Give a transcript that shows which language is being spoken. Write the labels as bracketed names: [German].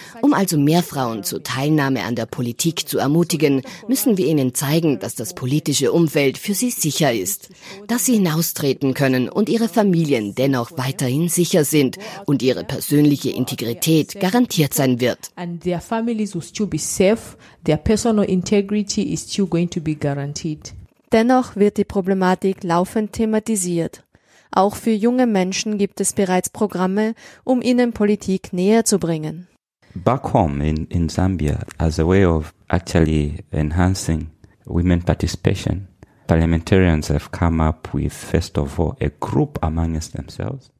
[German] Um also mehr Frauen zur Teilnahme an der Politik zu ermutigen, müssen wir ihnen zeigen, dass das politische Umfeld für sie sicher ist. Dass sie hinaustreten können und ihre Familien dennoch weiterhin sicher sind und ihre persönliche Integrität garantiert sein wird. [English] And their families will still be safe, their personal integrity is still going to be guaranteed. [German] Dennoch wird die Problematik laufend thematisiert. Auch für junge Menschen gibt es bereits Programme, um ihnen Politik näher zu bringen. [English] Back home in Zambia, as a way of actually enhancing women participation, parliamentarians have come up with, first of all, a group amongst themselves.